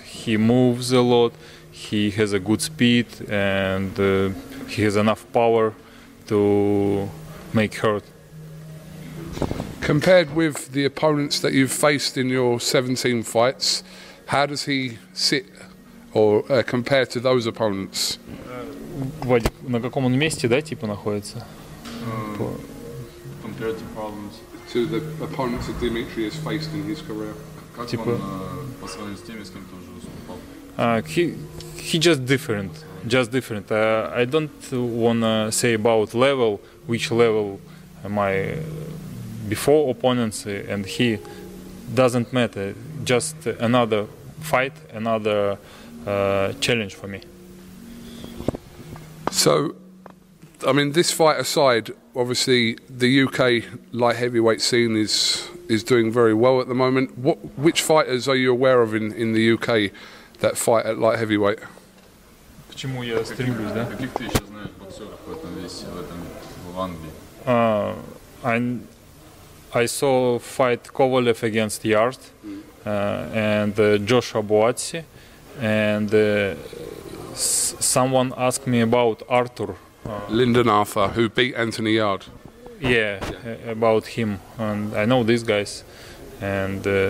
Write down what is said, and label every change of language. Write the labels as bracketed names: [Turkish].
[English] He moves a lot. He has a good speed, and he has enough power to make hurt. Compared with the opponents that you've faced in your 17 fights, how does he sit or compare to those opponents? [Russian] Вадик, на каком он месте, да, типа находится? [English] Compared to problems. To the opponents that Dmitry has faced in his career. [Russian] Типа, по сравнению с теми, с кем тоже выступал. [English] He just different. Just different. I don't want to say about level, which level my before opponents and he doesn't matter. Just another fight, another challenge for me. So, I mean, this fight aside, obviously the UK light heavyweight scene is doing very well at the moment. Which fighters are you aware of in the UK that fight at light heavyweight? [Russian] Почему я стремлюсь, да? Каких ты еще знаешь боксеров в этом весе, в Англии? [English] I saw fight Kovalev against Yarde and Joshua Boazzi, and someone asked me about Arthur. Lyndon Arthur, who beat Anthony Yarde. Yeah, about him. And I know these guys. And